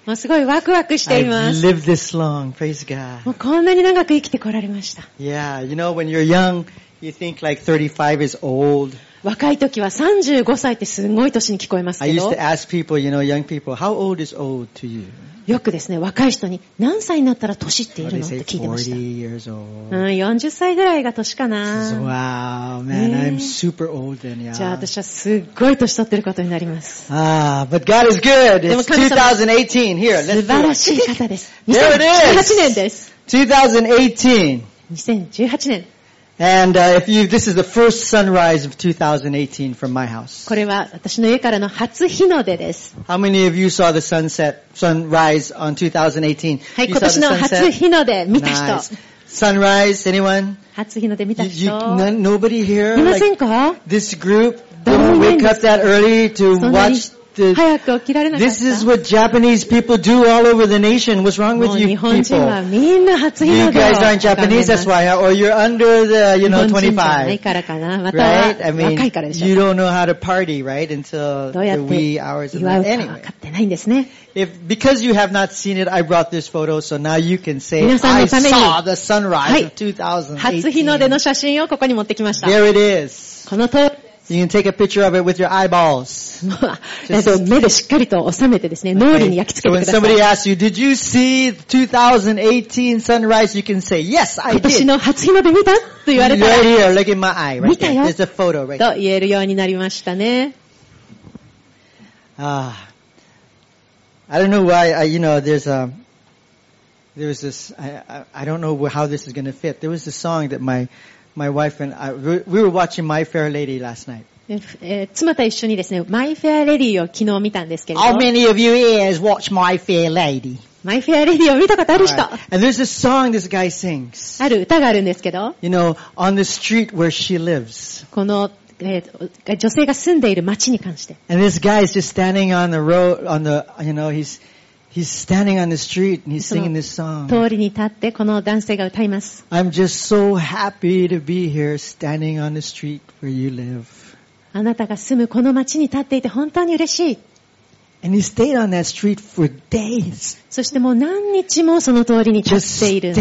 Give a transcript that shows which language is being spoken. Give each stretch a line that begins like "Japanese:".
Japanese: もうすごいワクワクしています。
English: I've lived this long. Praise God.
Japanese: もうこんなに長く生きてこられました。
English: Yeah, you know, when you're young, you think like 35 is old.
Japanese: 若い時は35歳ってすごい年に聞こえますけど。
English: I used to ask people, you know, young people, how old is old to you?
Japanese: よくですね、若い人に何歳になったら年っているのって聞いてました。うん、40歳ぐらいが年かな。
English: Wow, man, I'm super old then, yeah.
Japanese: じゃあ私はすごい年取ってることになります。
English: But God is good. It's 2018 here. Let's
Japanese: 素晴らしい方です。 2018 年です。 2018 年。
English: And if you, this is the first sunrise of 2018 from my house.
Japanese: これは私の家からの初日の出です。
English: How many of you saw the sunset, sunrise on 2018?
Japanese: はい、今年の初日の出見た人。
English: Nice. Sunrise, anyone?
Japanese: 初日の出見た人。
English: Nobody here?
Japanese: いませんか?
English: Like, this group didn't wake up that early to watch the...
Japanese: 早く起きられなかった。
English: This is what Japanese people do all over the nation. What's wrong with you people?
Japanese: 日本人はみんな初日の出を。
English: You guys aren't Japanese, that's why. Or you're under the, you know, 25.
Japanese: 日本人じゃないからかな。または若いからでしょ。
English: Right? I mean, you don't know how to party, right? Until the wee hours of the night.
Japanese: どうやって祝うか分かってないんですね。
English: If, because you have not seen it, I brought this photo, so now you can say, I saw the sunrise of 2018.
Japanese: 初日の出の写真をここに持ってきました。
English: There it is.
Japanese: この通り。
English: You can take a picture of it with your eyeballs. Just...
Japanese: 目でしっかりと収めてですね、脳裏に焼き付けてください。
English: So when somebody asks you, did you see 2018 sunrise? You can say, yes, I did.
Japanese: 今年の初日の出見た?と言われたら。
English: Right here, look at my eye. Right
Japanese: 見たよ。
English: There's a photo right there.
Japanese: と言えるようになりましたね。
English: I don't know why, you know, there's a, there was this, I don't know how this is going to fit. There was a song that my wife and I, we were watching My Fair Lady last night.
Japanese: 妻と一緒にですね、My Fair Lady を昨日見たんですけれど。
English: How many of you ears watch My Fair Lady?
Japanese: My Fair Lady を見たことある人。
English: Right. And there's a song this guy sings.
Japanese: ある歌があるんですけど。
English: You know, on the street where she lives.
Japanese: この女性が住んでいる町に関して。
English: And this guy is just standing on the road, on the, you know, he's standing on the street and he's singing this song.
Japanese: 通りに立ってこの男性が歌います。
English: I'm just so happy to be here standing on the street where you live.
Japanese: あなたが住むこの町に立っていて本当に嬉しい。
English: And he stayed on that street for days.
Japanese: そしてもう何日もその通りに立っているんです。